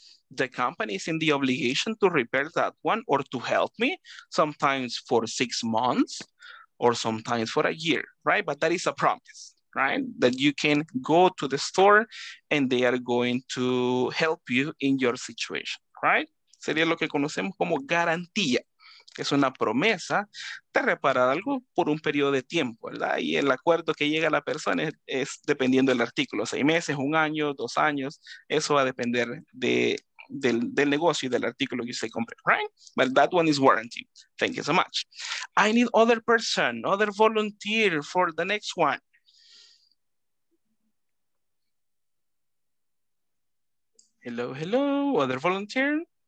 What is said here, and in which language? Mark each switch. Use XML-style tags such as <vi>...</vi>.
<en>The company is in the obligation to repair that one or to help me sometimes for 6 months or sometimes for a year, right? But that is a promise. Right, that you can go to the store and they are going to help you in your situation, right?</en> <es>Sería lo que conocemos como garantía, que es una promesa de reparar algo por un periodo de tiempo, ¿verdad? Y el acuerdo que llega a la persona es dependiendo del artículo, 6 meses, 1 año, 2 años, eso va a depender del negocio y del artículo que usted compre, right?</es> <en>But that one is warranty. Thank you so much. I need other person, other volunteer for the next one. Hello, hello, other volunteer.</en>